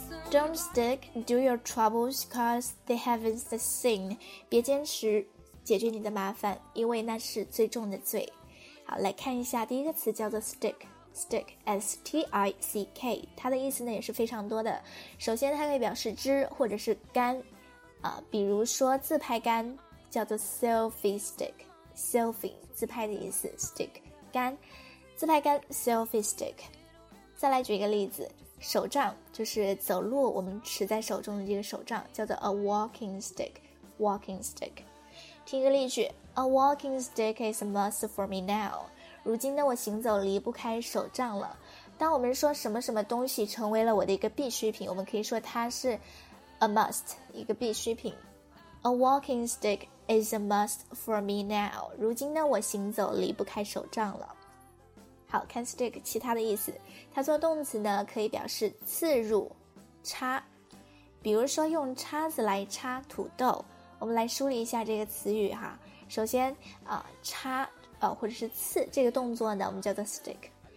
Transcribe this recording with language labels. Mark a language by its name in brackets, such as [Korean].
[English] Don't stick, do your troubles cause the heavens the sin， [Chinese] 别坚持解决你的麻烦，因为那是最重的罪。好，来看一下第一个词叫做 stick。Stick, S-T-I-C-K， 它的意思呢也是非常多的。首先它可以表示枝或者是杆，比如说自拍杆叫做 selfie stick， selfie 自拍的意思， stick 杆，自拍杆 selfie stick。再来举一个例子，手杖就是走路我们持在手中的这个手杖叫做 a walking stick， walking stick。听一个例句， [English] a walking stick is a must for me now， [Chinese] 如今呢，我行走离不开手杖了。当我们说什么什么东西成为了我的一个必需品，我们可以说它是 a must， 一个必需品。 [English] A walking stick is a must for me now， [Chinese] 如今呢，我行走离不开手杖了。好，看 stick 其他的意思，它做动词呢可以表示刺入、插，比如说用叉子来插土豆。我们来梳理一下这个词语哈。首先插或者是刺这个动作呢，我们叫做 stick。